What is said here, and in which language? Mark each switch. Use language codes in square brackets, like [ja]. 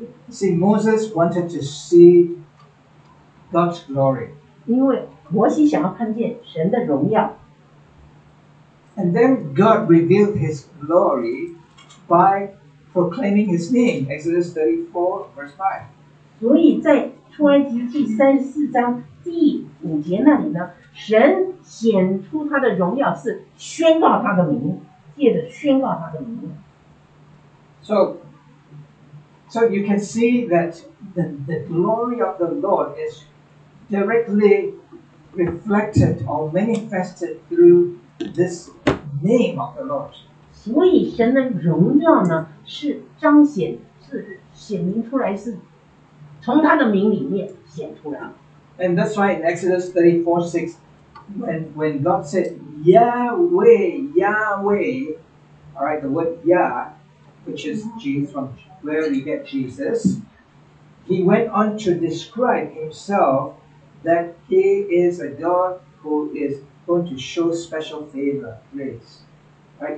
[en] See, Moses wanted to see God's glory. [zh] 因为摩西想要看见神的荣耀。 [en] And then God revealed His glory by proclaiming His name, Exodus 34, verse 5. [zh] 所以在出埃及记三十四章第五节那里呢，神显出他的荣耀是宣告他的名，借着宣告他的名。 [en] So you can see that the glory of the Lord is directly reflected or manifested through this name of the Lord. [zh] 所以神的荣耀呢，是彰显，是显明出来，是从他的名里面显出来。 [en] And that's why in Exodus 34, 6, when God said Yahweh, Yahweh, all right, the word Yah, which is Jesus, from where we get Jesus, he went on to describe himself that he is a God who is going to show special favor, grace. Right?